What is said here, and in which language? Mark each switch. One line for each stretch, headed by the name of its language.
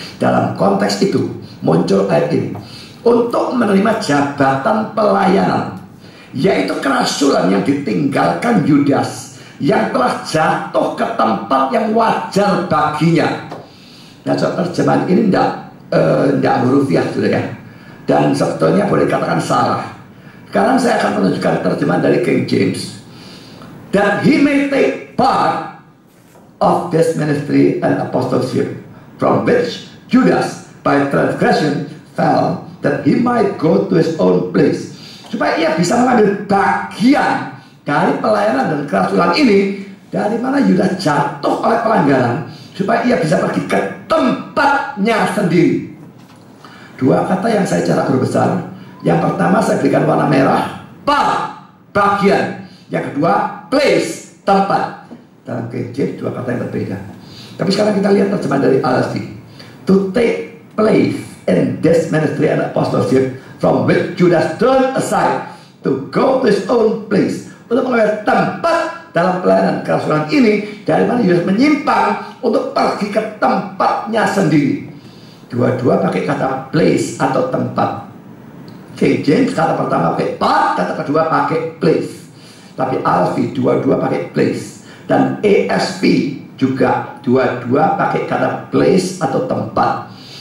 Indonesian: Dalam konteks itu, muncul ayat ini. Untuk menerima jabatan pelayanan, yaitu kerasulan yang ditinggalkan Yudas, yang telah jatuh ke tempat yang wajar baginya. Nah, soal terjemahan ini tidak hurufiah sudah ya. Dan sebetulnya boleh dikatakan salah. Sekarang saya akan menunjukkan terjemahan dari King James.
English: That he may take part of this ministry and apostleship from which Judas by transgression fell, that he might go to his own place.
Indonesian: Supaya ia bisa mengambil bagian dari pelayanan dan kerasulan ini, dari mana Judas jatuh oleh pelanggaran, supaya ia bisa pergi ke tempatnya sendiri. Dua kata yang saya cara guru besar. Yang pertama saya berikan warna merah, bagian. Yang kedua, place, tempat. Dalam kejap dua kata yang berbeda. Tapi sekarang kita lihat terjemahan dari ALSD.
English: To take place in this ministry and apostleship from which Judas turned aside to go to his own place.
Indonesian: Untuk mengambil tempat dalam pelayanan kerasulan ini, dari mana Judas menyimpang untuk pergi ke tempatnya sendiri. Dua-dua pakai kata place atau tempat. King James kata pertama pakai part, kata kedua pakai place. Tapi ALSD dua-dua pakai place. Dan ESV juga dua-dua pakai kata place atau tempat.